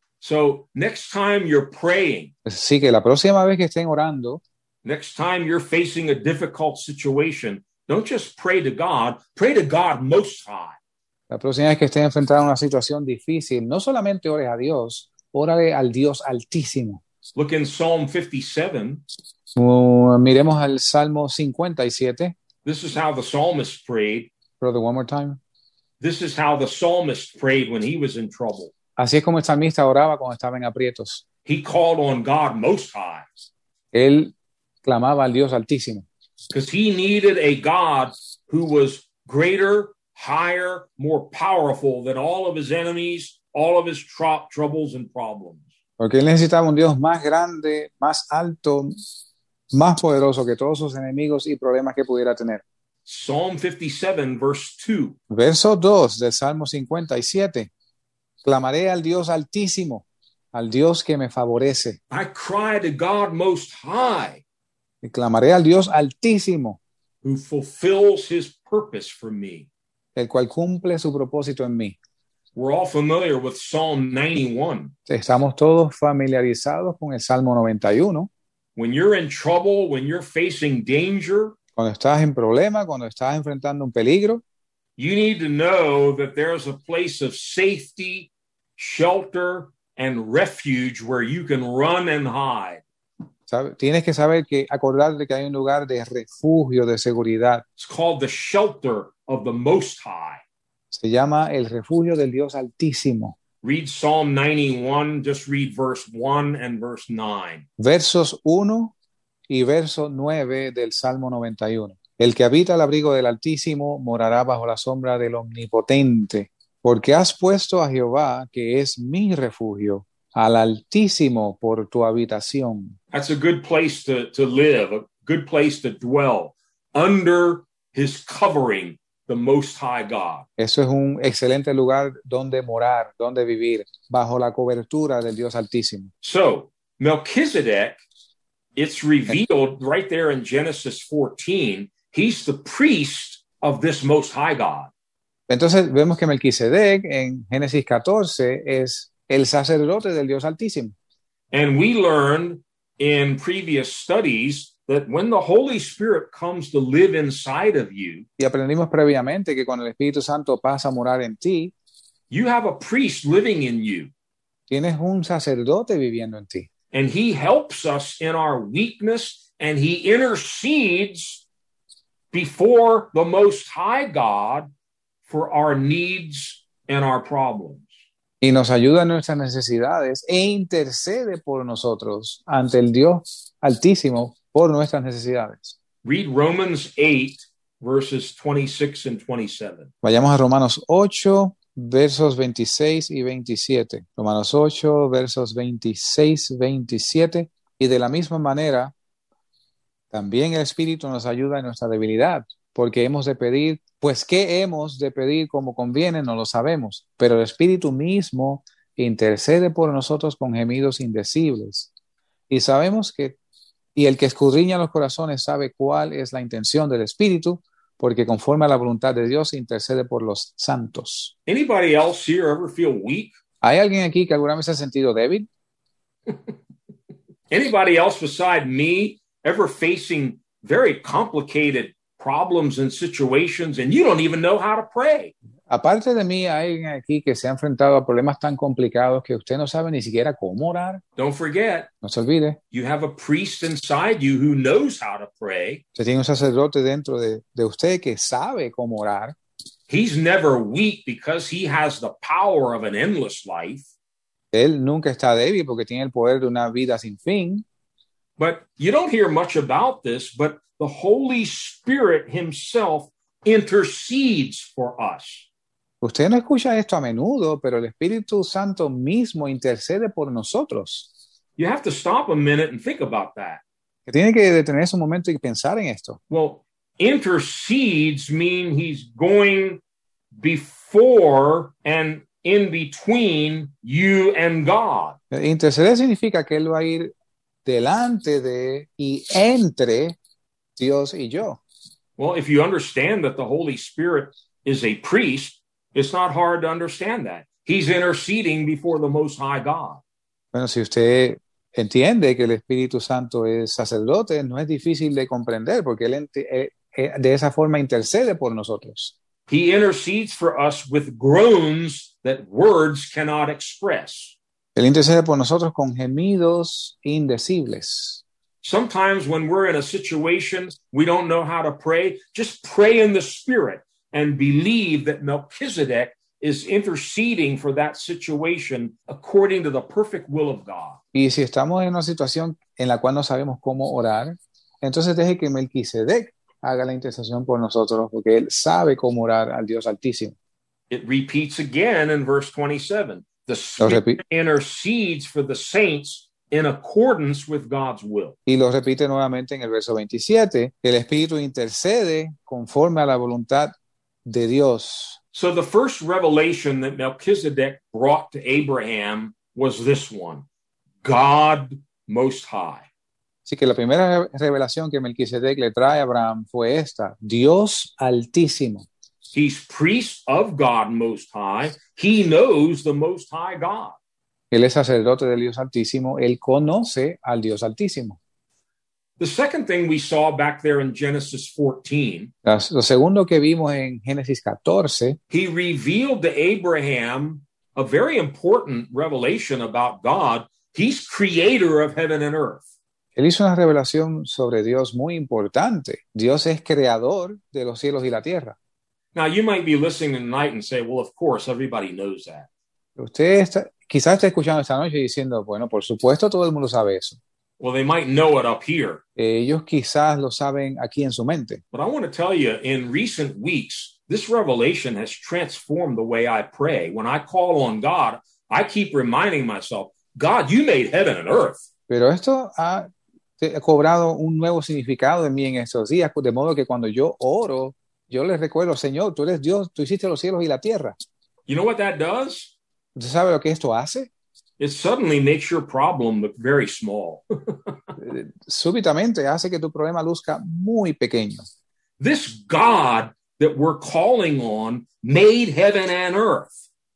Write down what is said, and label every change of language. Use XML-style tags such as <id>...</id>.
<en>So next time you're praying,</en> <es>así que la próxima vez que estén orando,</es> <en>next time you're facing a difficult situation, don't just pray to God, pray to God Most High.</en> <es>La próxima vez que estén enfrentando una situación difícil, no solamente ores a Dios, órale al Dios Altísimo.</es> <en>Look in Psalm 57.</en> <es>Miremos al Salmo 57.</es> <en>This is how the psalmist prayed. Brother, one more time. This is how the psalmist prayed when he was in trouble.</en> <es>Así es como el salmista oraba cuando estaba en aprietos.</es> <en>He called on God Most High.</en> <es>Él clamaba al Dios Altísimo.</es> <en>Because he needed a God who was greater, higher, more powerful than all of his enemies, all of his troubles and problems.</en> <es>Porque él necesitaba un Dios más grande, más alto, más poderoso que todos sus enemigos y problemas que pudiera tener.</es> <en>Psalm 57, verse 2.</en> <es>Verso 2 del Salmo 57. Clamaré al Dios Altísimo, al Dios que me favorece.</es> <en>I cry to God Most High.</en> <es>Y clamaré al Dios Altísimo,</es> <en>who fulfills his purpose for me.</en> <es>El cual cumple su propósito en mí.</es> <en>We're all familiar with Psalm 91.</en> <es>Estamos todos familiarizados con el Salmo 91.</es> <en>When you're in trouble, when you're facing danger,</en> <es>cuando estás en problema, cuando estás enfrentando un peligro,</es> <en>you need to know that there is a place of safety, shelter, and refuge where you can run and hide.</en> <es>Tienes que saber que acordarte que hay un lugar de refugio, de seguridad.</es> <en>It's called the shelter of the Most High.</en> <es>Se llama el refugio del Dios Altísimo.</es> <en>Read Psalm 91, just read verse 1 and verse 9.</en> <es>Versos 1 y verso 9 del Salmo 91. El que habita al abrigo del Altísimo morará bajo la sombra del Omnipotente. Porque has puesto a Jehová, que es mi refugio, al Altísimo por tu habitación.</es> <en>That's a good place to live, a good place to dwell, under his covering, the Most High God.</en> <es>Eso es un excelente lugar donde morar, donde vivir, bajo la cobertura del Dios Altísimo.</es> <en>So, Melchizedek, it's revealed right there in Genesis 14, he's the priest of this Most High God.</en> <es>Entonces vemos que Melquisedec en Génesis 14 es el sacerdote del Dios Altísimo.</es> <en>And we learned in previous studies that when the Holy Spirit comes to live inside of you,</en> <es>y aprendimos previamente que cuando el Espíritu Santo pasa a morar en ti,</es> <en>you have a priest living in you.</en> <es>Tienes un sacerdote viviendo en ti.</es> <en>And he helps us in our weakness and he intercedes before the Most High God for our needs and our problems.</en> <es>Y nos ayuda en nuestras necesidades e intercede por nosotros ante el Dios Altísimo por nuestras necesidades.</es> <en>Read Romans 8, verses 26 and 27.</en> <es>Vayamos a Romanos 8, versos 26 y 27. Romanos 8, versos 26, 27. Y de la misma manera, también el Espíritu nos ayuda en nuestra debilidad, porque hemos de pedir, pues qué hemos de pedir como conviene, no lo sabemos. Pero el Espíritu mismo intercede por nosotros con gemidos indecibles. Y sabemos que, y el que escudriña los corazones sabe cuál es la intención del Espíritu, porque conforme a la voluntad de Dios intercede por los santos.</es> <en>Anybody else here ever feel weak?</en> <es>¿Hay alguien aquí que alguna vez se ha sentido débil?</es> <en>Anybody else beside me ever facing very complicated problems and situations and you don't even know how to pray?</en> <es>Aparte de mí, ¿hay alguien aquí que se ha enfrentado a problemas tan complicados que usted no sabe ni siquiera cómo orar?</es> <en>Don't forget.</en> <es>No se olvide.</es> <en>You have a priest inside you who knows how to pray.</en> <es>Usted tiene un sacerdote dentro de usted que sabe cómo orar.</es> <en>He's never weak because he has the power of an endless life.</en> <es>Él nunca está débil porque tiene el poder de una vida sin fin.</es> <en>But you don't hear much about this, but the Holy Spirit himself intercedes for us.</en> <es>Usted no escucha esto a menudo, pero el Espíritu Santo mismo intercede por nosotros.</es> <en>You have to stop a minute and think about that.</en> <es>Tiene que detenerse un momento y pensar en esto.</es> <en>Well, intercedes mean he's going before and in between you and God.</en> <es>Interceder significa que él va a ir delante de y entre Dios y yo.</es> <en>Well, if you understand that the Holy Spirit is a priest, it's not hard to understand that. He's interceding before the Most High God.</en> <es>Bueno, si usted entiende que el Espíritu Santo es sacerdote, no es difícil de comprender porque él de esa forma intercede por nosotros.</es> <en>He intercedes for us with groans that words cannot express.</en> <es>Él intercede por nosotros con gemidos indecibles.</es> <en>Sometimes when we're in a situation we don't know how to pray, just pray in the Spirit and believe that Melchizedek is interceding for that situation according to the perfect will of God.</en> <es>Y si estamos en una situación en la cual no sabemos cómo orar, entonces deje que Melquisedec haga la intercesión por nosotros porque él sabe cómo orar al Dios Altísimo.</es> <en>It repeats again in verse 27. The Spirit intercedes for the saints in accordance with God's will.</en> <es>Y lo repite nuevamente en el verso 27. El Espíritu intercede conforme a la voluntad de Dios.</es> <en>So the first revelation that Melchizedek brought to Abraham was this one. God Most High.</en> <es>Así que la primera revelación que Melquisedec le trae a Abraham fue esta. Dios Altísimo.</es> <en>He's priest of God Most High. He knows the Most High God.</en> <es>Él es sacerdote del Dios Altísimo. Él conoce al Dios Altísimo.</es> <en>The second thing we saw back there in Genesis 14.</en> <es>Lo segundo que vimos en Génesis 14.</es> <en>He revealed to Abraham a very important revelation about God. He's creator of heaven and earth.</en> <es>Él hizo una revelación sobre Dios muy importante. Dios es creador de los cielos y la tierra.</es> <en>Now you might be listening tonight and say, well, of course, everybody knows that.</en> <es>Usted está, quizás está escuchando esta noche diciendo, bueno, por supuesto, todo el mundo sabe eso.</es> <en>Well, they might know it up here.</en> <es>Ellos quizás lo saben aquí en su mente.</es> <en>But I want to tell you, in recent weeks, this revelation has transformed the way I pray. When I call on God, I keep reminding myself, God, you made heaven and earth.</en> <es>Pero esto ha cobrado un nuevo significado en mí en estos días, de modo que cuando yo oro, yo les recuerdo, Señor, tú eres Dios, tú hiciste los cielos y la tierra.</es> <en>You know what that does?</en> <es>¿Usted sabe lo que esto hace?</es> <en>It suddenly makes your problem look very small.</en> <es>Súbitamente hace que tu problema luzca muy pequeño.</es> <en>This God that we're calling on made heaven and earth.</en>